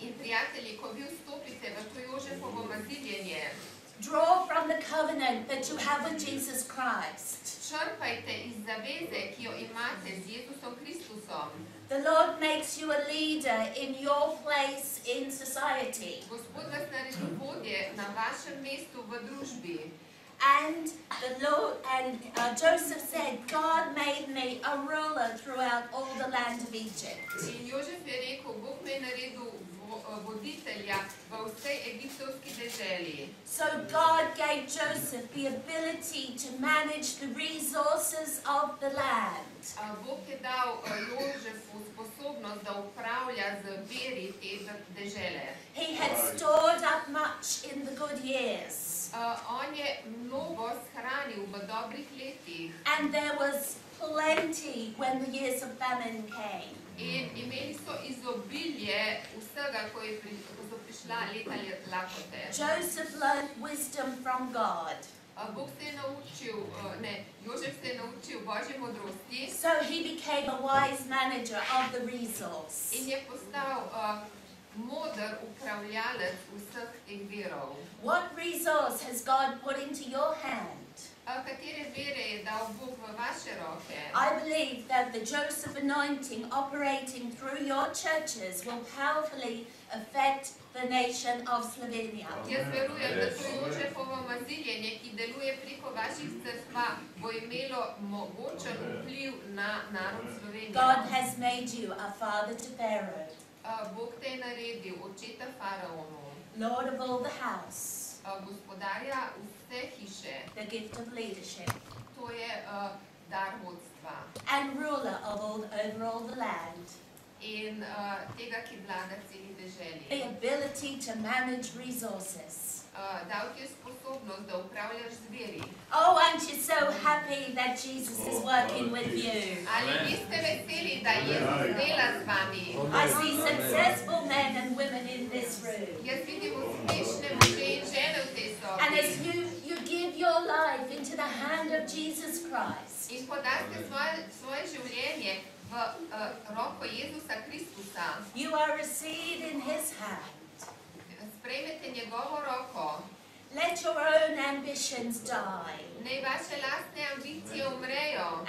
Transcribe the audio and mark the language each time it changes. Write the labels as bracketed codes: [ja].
[sl] in prijatelji, ko vi vstopite v to Jožefovo mazidjenje, [en] draw from the covenant that you have with Jesus Christ. [sl] Črpajte iz zaveze, ki jo imate z Jezusom Kristusom. [en] The Lord makes you a leader in your place in society. [sl] Gospod vas naredi vodje na vašem mestu v družbi. [en] And the Lord and Joseph said, God made me a ruler throughout all the land of Egypt. [sl] In Jožef je rekel, Bog me je naredil voditelja v vsej egiptovski deželi. [en] So God gave Joseph the ability to manage the resources of the land. [sl] Bog je dal Jožefu sposobnost, da upravlja z viri te dežele. [en] He had stored up much in the good years. [sl] On je mnogo shranil v dobrih letih. [en] And there was plenty when the years of famine came. [sl] In imeli so izobilje vsega, ko so prišla leta lakote. [en] Joseph learned wisdom from God. [sl] Bog se je naučil, ne, Jožef se je naučil Božje modrosti. [en] So he became a wise manager of the resource. [sl] In je postal moder upravljalec vseh teh virov. [en] What resource has God put into your hand? [sl] Katere vere je dal Bog v vaše roke? [en] I believe that the Joseph anointing operating through your churches will powerfully affect the nation of Slovenia. [sl] Jaz verujem, da to Jožefovo maziljenje, ki deluje preko vaših crkva, bo imelo mogočen vpliv na narod Slovenije. [en] God has made you a father to Pharaoh. [sl] Bog te je naredil očeta faraonu. [en] Lord of all the house. [sl] Gospodarja vse hiše. [en] The gift of leadership. [sl] To je dar vodstva. [en] And ruler of all, over all the land. [sl] In tega, ki vlada celi deželi. [en] The ability to manage resources. [sl] Dal ti je sposobnost, da upravljaš z viri. [en] Oh, aren't you so happy that Jesus is working with you? [sl] Ali niste veseli, da Jezus dela z vami? [en] I see successful men and women in this room. [sl] Jaz vidim uspešne moče in žene v tej sobi. [en] And as you give your life into the hand of Jesus Christ. [sl] In podate svoje življenje v roko Jezusa Kristusa. [en] You are received in His hand. [sl] Prejmete njegovo roko. [en] Let your own ambitions die. [sl] Nej vaše lastne ambicije umrejo.